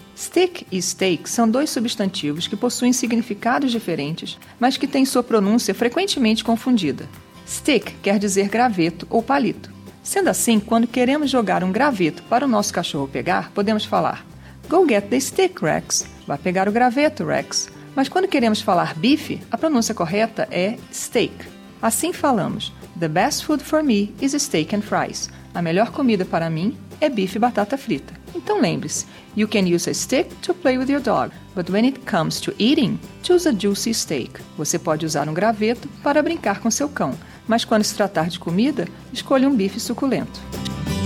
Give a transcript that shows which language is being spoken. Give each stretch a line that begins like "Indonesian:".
Portuguese: Stick e steak são dois substantivos que possuem significados diferentes, mas que têm sua pronúncia frequentemente confundida. Stick quer dizer graveto ou palito. Sendo assim, quando queremos jogar um graveto para o nosso cachorro pegar, podemos falar
English: Go get the stick, Rex.
Portuguese: Vá pegar o graveto, Rex. Mas quando queremos falar bife, a pronúncia correta é steak. Assim falamos,
English: The best food for me is steak and fries.
Portuguese: A melhor comida para mim é bife e batata frita. Então lembre-se,
English: you can use a stick to play with your dog, but when it comes to eating, choose a juicy steak.
Portuguese: Você pode usar um graveto para brincar com seu cão, mas quando se tratar de comida, escolha um bife suculento.